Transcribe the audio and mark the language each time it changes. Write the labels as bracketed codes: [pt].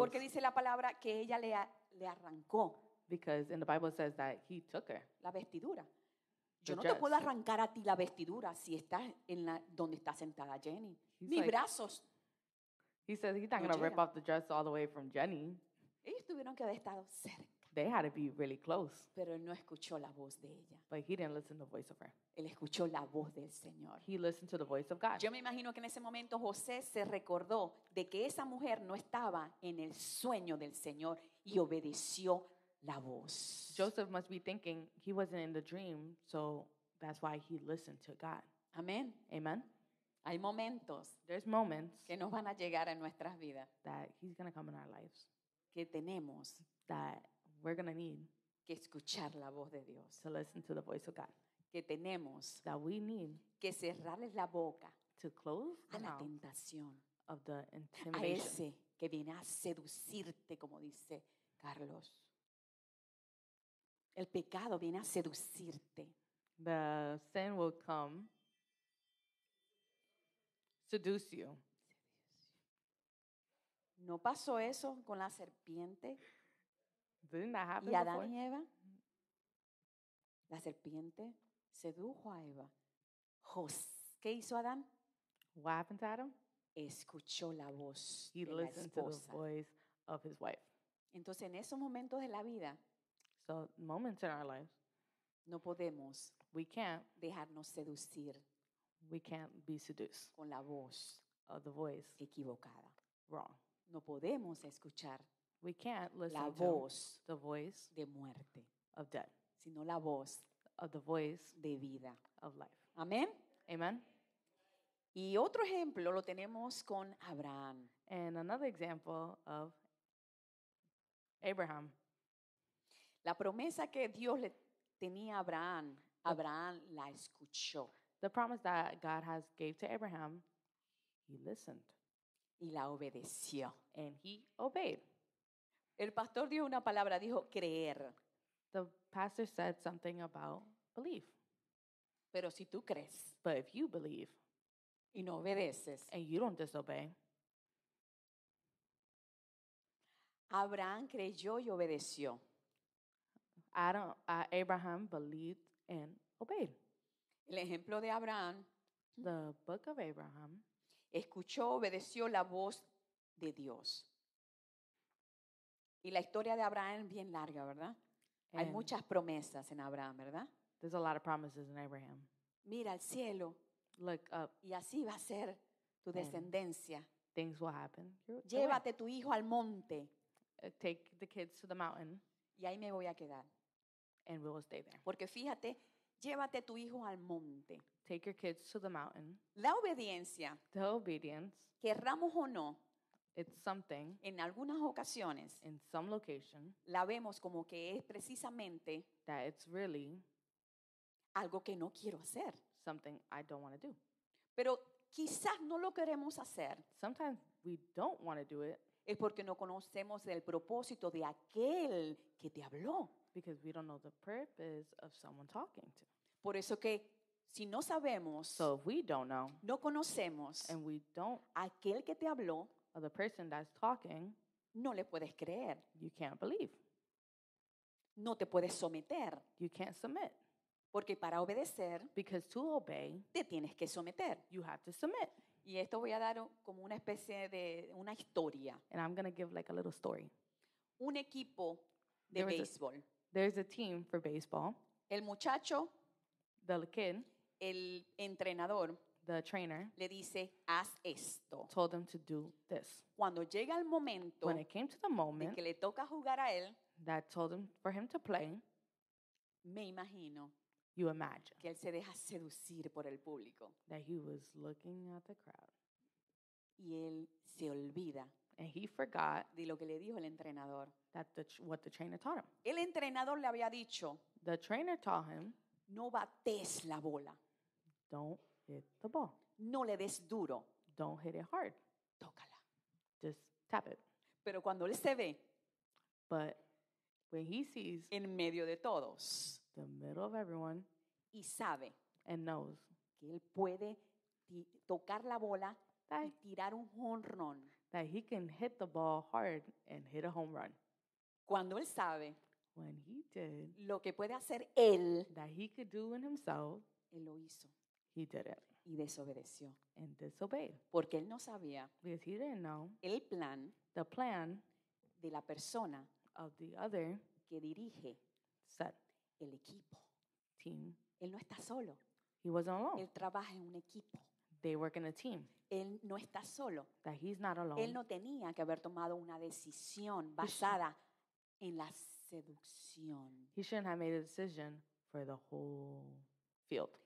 [es] Porque dice la palabra que ella le arrancó. [en] Because in the Bible says that he took her. [es] La vestidura. Yo no te puedo arrancar a ti la vestidura si estás en la donde está sentada Jenny. Mis like, brazos. [en] He says he's not going to rip off the dress all the way from Jenny. [es] Ellos tuvieron que haber estado cerca. [en] They had to be really close. [es] Pero él no escuchó la voz de ella. [en] But he didn't listen to the voice of her. [es] Él escuchó la voz del Señor. [en] He listened to the voice of God. [es] Yo me imagino que en ese momento José se recordó de que esa mujer no estaba en el sueño del Señor y obedeció la voz. [en] Joseph must be thinking he wasn't in the dream, so that's why he listened to God. Amen. Amen. [es] Hay momentos. [en] There's moments [es] que nos van a llegar en nuestras vidas. [en] That he's going to come in our lives. [es] Que tenemos. [en] That we're going to need. [es] Que escuchar la voz de Dios. [en] To listen to the voice of God. [es] Que tenemos. [en] That we need. [es] Que cerrarles la boca. [en] To close [es] a la tentación. [en] Of the intimidation. [es] A ese que viene a seducirte, como dice Carlos. El pecado viene a seducirte. [en] The sin will come. Seduce you. [es] ¿No pasó eso con la serpiente? [en] Didn't that happen [es] ¿Y Adán [en] before? [es] Y Eva? La serpiente sedujo a Eva. ¿Qué hizo Adán? [en] What happened to Adam? [es] Escuchó la voz [en] He [es] de la esposa. [en] He listened to the voice of his wife. [es] Entonces, en esos momentos de la vida, [en] so moments in our lives, [es] no podemos [en] we can't [es] dejarnos seducir. [en] We can't be seduced [es] con la voz [en] of the voice [es] equivocada. [en] Wrong. [es] No podemos escuchar [en] we can't listen [es] la voz [en] to the voice [es] de muerte [en] of death, [es] sino la voz [en] of the voice [es] de vida [en] of life. [es] Amen. [en] Amen. [es] Y otro ejemplo lo tenemos con Abraham. [en] And another example of Abraham. [es] La promesa que Dios le tenía a Abraham, Abraham la escuchó. [en] The promise that God has gave to Abraham, he listened. [es] Y la obedeció. [en] And he obeyed. [es] El pastor dio una palabra, dijo creer. [en] The pastor said something about belief. [es] Pero si tú crees. [en] But if you believe. [es] Y no obedeces. [en] And you don't disobey. [es] Abraham creyó y obedeció. [en] Abraham believed and obeyed. [es] El ejemplo de Abraham. [en] The book of Abraham. [es] Escuchó, obedeció la voz de Dios. Y la historia de Abraham es bien larga, ¿verdad? Hay muchas promesas en Abraham, ¿verdad? [en] There's a lot of promises in Abraham. [es] Mira al cielo. [en] Look up. [es] Y así va a ser tu descendencia. [en] Things will happen. [es] Llévate tu hijo al monte. [en] Take the kids to the mountain. [es] Y ahí me voy a quedar. [en] And we will stay there. [es] Porque fíjate, llévate tu hijo al monte. [en] Take your kids to the mountain. [es] La obediencia. [en] The obedience. [es] Querramos o no. [en] It's something. [es] En algunas ocasiones. [en] In some location. [es] La vemos como que es precisamente. [en] That it's really. [es] Algo que no quiero hacer. [en] Something I don't want to do. [es] Pero quizás no lo queremos hacer. [en] Sometimes we don't want to do it. [es] es porque no conocemos el propósito de aquel que te habló. [en] Because we don't know the purpose of someone talking to. [es] Por eso que si no sabemos, [en] so if we don't know, [es] no conocemos, [en] and we don't, [es] aquel que te habló, [en] or the person that's talking, [es] no le puedes creer. [en] You can't believe. [es] No te puedes someter. [en] You can't submit. [es] Porque para obedecer, [en] because to obey, [es] te tienes que someter. [en] You have to submit. [es] Y esto voy a dar como una especie de una historia. [en] And I'm going to give like a little story. [es] Un equipo de béisbol. [en] There's a team for baseball. [es] El muchacho, [en] the kid, [es] el entrenador, [en] the trainer, [es] le dice, haz esto. [en] Told him to do this. [es] Cuando llega el momento, [en] when it came to the moment, [es] de que le toca jugar a él, [en] that told him for him to play, [es] me imagino, [en] you imagine, [es] que él se deja seducir por el público, [en] that he was looking at the crowd, [es] y él se olvida, [en] and he forgot, [es] de lo que le dijo el entrenador, [en] that the, what the trainer taught him. [es] El entrenador le había dicho, [en] the trainer taught him, [es] no bates la bola, [en] don't hit the ball, [es] no le des duro, [en] don't hit it hard, [es] tócala, [en] just tap it. [es] Pero cuando él se ve, [en] but when he sees, [es] en medio de todos, [en] the middle of everyone, [es] y sabe, [en] and knows, [es] que él puede tocar la bola, y tirar un home run, [en] that he can hit the ball hard and hit a home run. [es] Cuando él sabe, [en] when he did, [es] lo que puede hacer él, [en] that he could do in himself, [es] él lo hizo, [en] he did it, [es] y desobedeció, [en] and disobeyed, [es] porque él no sabía, [en] because he didn't know, [es] el plan, [en] the plan, [es] de la persona, [en] of the other, [es] que dirige, [en] set, [es] el equipo, [en] team. [es] Él no está solo, [en] he wasn't alone, [es] él trabaja en un equipo, [en] they work in a team, [es] él no está solo, [en] that he's not alone, [es] él no tenía que haber tomado una decisión basada en la seducción, [en] he shouldn't have made a decision for the whole field,